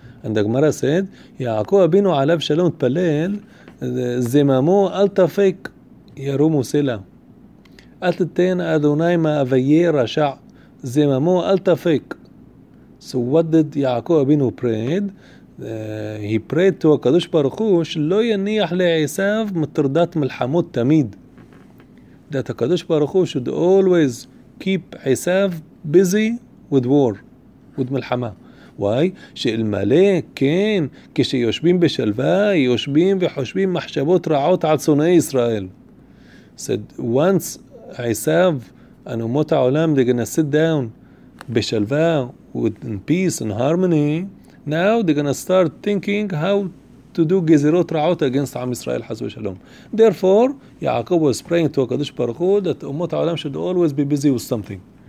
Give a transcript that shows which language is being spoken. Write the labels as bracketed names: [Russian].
[English] And the Gemara said, [Hebrew] Yaakov Abinu alav shalom tpalel, zemamu al tafek, ירום וסלה אל תתן אדוני מאוויי רשע זממו אל תפק. [English] So what did יעקב אבינו prayed? [Hebrew] He prayed to הקדוש ברוך הוא שלא יניח לעשיו מטרדת מלחמות תמיד. [English] That הקדוש ברוך הוא should always keep עשיו busy with war, with מלחמה. Why? [Hebrew] שאלמלא כן כשיושבים בשלווה יושבים וחושבים מחשבות רעות על שונאי ישראל. [English] Said once Isav and Umot HaOlam they're gonna sit down b'shalva with in peace and harmony. Now they're gonna start thinking how to do gezerot ra'ot against Am Israel Hazu Shalom. Therefore, Yaakov was praying to HaKadosh Baruch Hu that Umot HaOlam should always be busy with something.